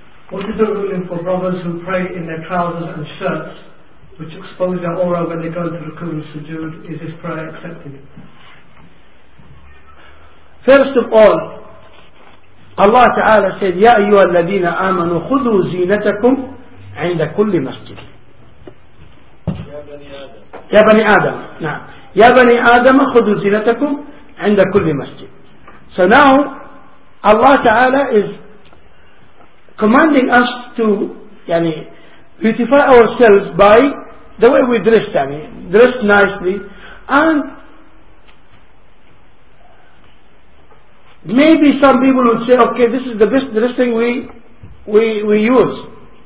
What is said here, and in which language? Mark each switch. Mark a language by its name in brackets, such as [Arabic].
[English] What is the ruling for brothers who pray in their trousers and shirts, which expose their aura when they go to ruku and sujood? Is this prayer accepted? First of all, Allah Ta'ala said, [Arabic] يَا أَيُّهَا الَّذِينَ آمَنُوا خُذُوا زِينَتَكُمْ عِنْدَ كُلِّ مَسْجِدٍ. يا بني آدم. يا بني آدم خذوا زينتكم عند كل مسجد. [English] So now Allah Ta'ala is commanding us to يعني, beautify ourselves by the way we dress, يعني, dress nicely, and maybe some people would say, okay, this is the best dressing we use.